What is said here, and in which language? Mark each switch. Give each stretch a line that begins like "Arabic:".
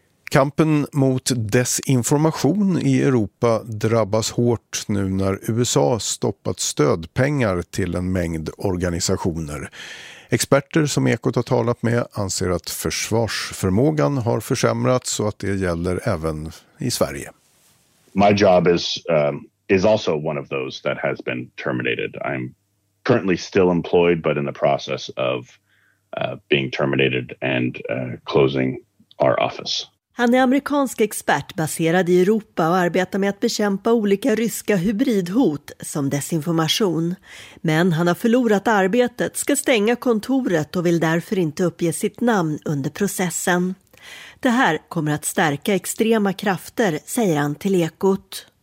Swedish: Kampen mot desinformation i Europa drabbas hårt nu när USA stoppat stödpengar till en mängd organisationer. Experter som Ekot har talat med anser att försvarsförmågan har försämrats och att det gäller även i Sverige.
English: My job is also one of those that has been terminated. I'm currently still employed but in the process of being terminated and closing our office.
Swedish: Han är amerikansk expert baserad i Europa och arbetar med att bekämpa olika ryska hybridhot som desinformation. Men han har förlorat arbetet, ska stänga kontoret och vill därför inte uppge sitt namn under processen. Det här kommer att stärka extrema krafter, säger han till Ekot.